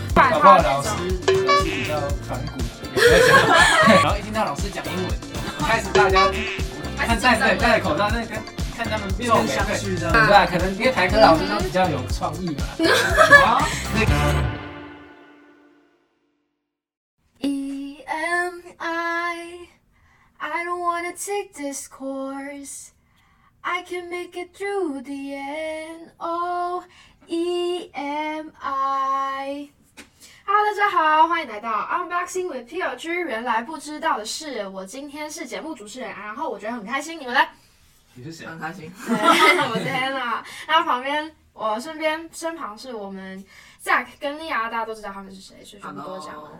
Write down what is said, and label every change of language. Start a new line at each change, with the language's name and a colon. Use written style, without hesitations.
Chinese: 讲话老师都是比较反骨，然后一听到老师讲英文，开始大家看戴对戴口罩那个。看他们面相，对不对？可能因为台科老师他比较有创意嘛。啊，那个。
English: EMI, I don't wanna take this course. I can make it through the end. Oh, EMI. Hello,
Chinese: 大家好，欢迎来到 Unboxing with PLG 原来不知道的事。我今天是节目主持人，然后我觉得很开心，你们呢？你是谁？很开心，我天哪！那旁边，我身边身旁是我们 Zack 跟莉亚，大家都知道他们是谁，所以就不多讲了。